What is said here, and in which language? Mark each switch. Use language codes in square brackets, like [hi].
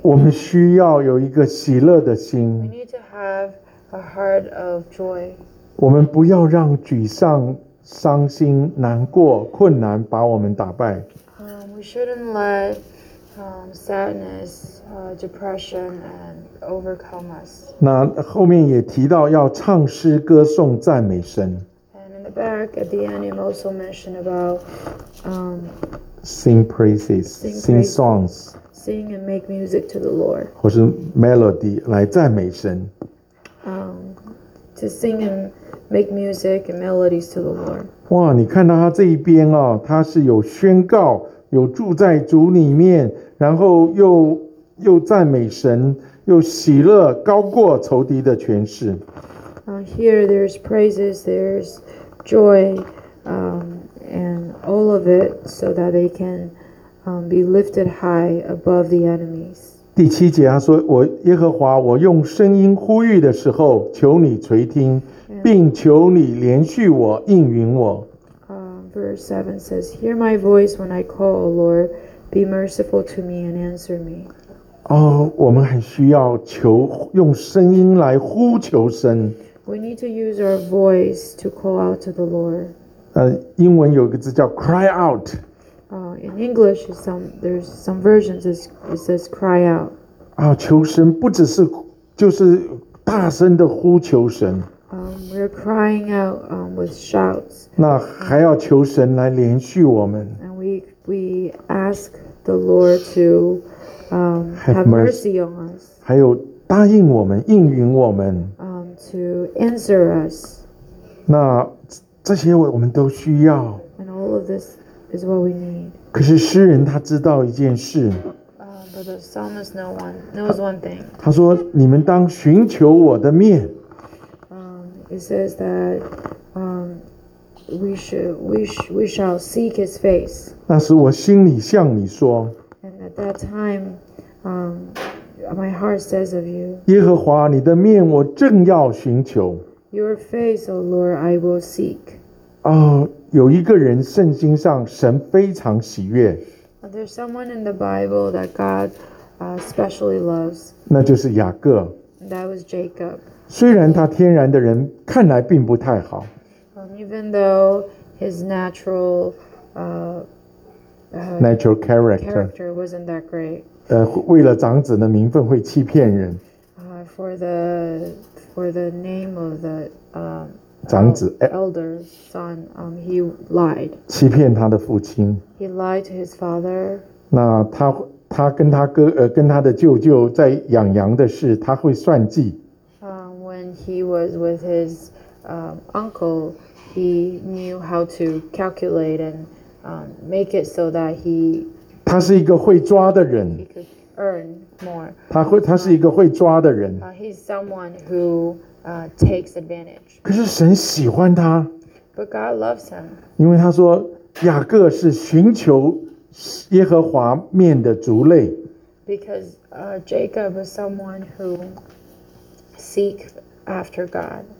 [zh] 我们需要有一个喜乐的心。 [en] We need to have a heart of joy. [zh] 我们不要让沮丧、伤心、难过、困难把我们打败。 [en] We shouldn't let sadness, depression, and overcome us. [zh] 那后面也提到要唱诗、歌颂、赞美神。 [en] And in the back, at the end, you also mentioned about. Sing praises, sing songs. Sing and make music to the Lord. [zh] 或是 melody 来赞美神。 [en] To sing and make music and melodies to the Lord. [zh] 哇，你看到他这一边啊，他是有宣告，有住在主里面，然后又赞美神，又喜乐，高过仇敌的权势。 [en] Here there's praises, there's joy. And all of it so that they can be lifted high above the enemies. [zh] 第七节他说我耶和华我用声音呼吁的时候求你垂听并求你连续我应允我。 [en] Verse 7 says, Hear my voice when I call, O Lord. Be merciful to me and answer me. [zh] 我们很需要求用声音来呼求神。 [en] We need to use our voice to call out to the Lord. [zh] 英文有一个字叫 [en] cry out. In English, there's some versions it says cry out. [zh] 求神不只是就是大声的呼求神。 [en] We're crying out with shouts. [zh] 那还要求神来连续我们。 [en] And we ask the Lord to have mercy on us. [zh] 还有答应我们，应允我们。 [en] To answer us. [zh] 那这些我们都需要。 [en] And all of this is what we need. [zh] 可是诗人他知道一件事。 [en] But the psalmist knows one thing. [zh] 他说你们当寻求我的面。 [en] It says that we shall seek his face. [zh] 那时我心里向你说。 [en] And at that time, my heart says of you. [zh] 耶和华你的面我正要寻求。 [en] Your face, O Lord, I will seek. [zh] 有一个人圣经上神非常喜悦。 [en] There's someone in the Bible that God especially loves. [zh] 那就是雅各。 [en] That was Jacob. [zh] 虽然他天然的人看来并不太好。 [en] Even though his natural character wasn't that great. [zh] 为了长子的名分会欺骗人。 [en] For the name of the [zh] 长子 [en] elder son, he lied. [zh] 欺骗他的父亲。 [en] He lied to his father. [zh] 那他跟他哥跟他的舅舅在养羊的事，他会算计。 [en] When he was with his uncle, he knew how to calculate and make it so that he [zh] 他是一个会抓的人 [en] he could earn more. [zh] 他是一个会抓的人 [en] he's someone who takes advantage. [zh] 可是神喜欢他 [en] but God loves him. [zh] 因为他说雅各是寻求耶和华面的族类 [en] because Jacob is someone who seek after God.